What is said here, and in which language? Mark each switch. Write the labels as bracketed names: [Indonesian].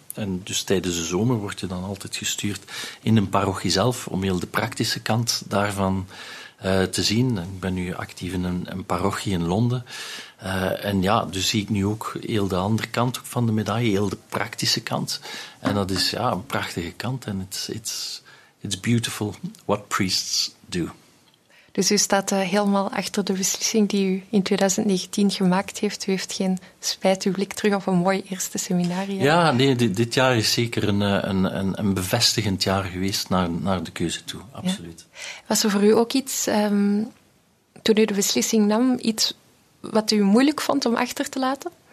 [Dutch] En dus tijdens de zomer word je dan altijd gestuurd in een parochie zelf om heel de praktische kant daarvan te zien. Ik ben nu actief in een parochie in Londen. Dus zie ik nu ook heel de andere kant van de medaille, heel de praktische kant. En dat is een prachtige kant. En [English] it's beautiful what priests do. [Dutch] Dus u staat helemaal achter de beslissing die u in 2019 gemaakt heeft. U heeft geen spijt, uw blik terug op een mooi eerste seminarium. Ja, nee, dit jaar is zeker een bevestigend jaar geweest naar de keuze toe, absoluut. Ja. Was er voor u ook iets, toen u de beslissing nam, iets wat u moeilijk vond om achter te laten?